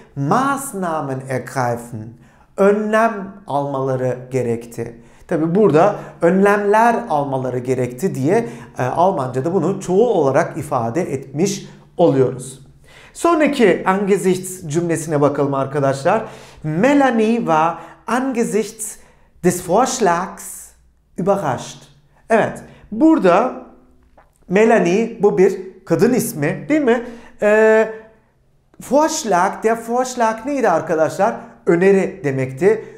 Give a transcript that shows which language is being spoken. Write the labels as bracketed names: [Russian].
[German] Maßnahmen ergreifen. [Turkish] Önlem almaları gerekti. Tabi burada önlemler almaları gerekti diye Almanca'da bunu çoğul olarak ifade etmiş oluyoruz. Sonraki angesichts cümlesine bakalım arkadaşlar. [German] Melanie war angesichts des Vorschlags überrascht. [Turkish] Evet, burada Melanie, bu bir kadın ismi değil mi? Vorschlag, der Vorschlag neydi arkadaşlar? Öneri demekti.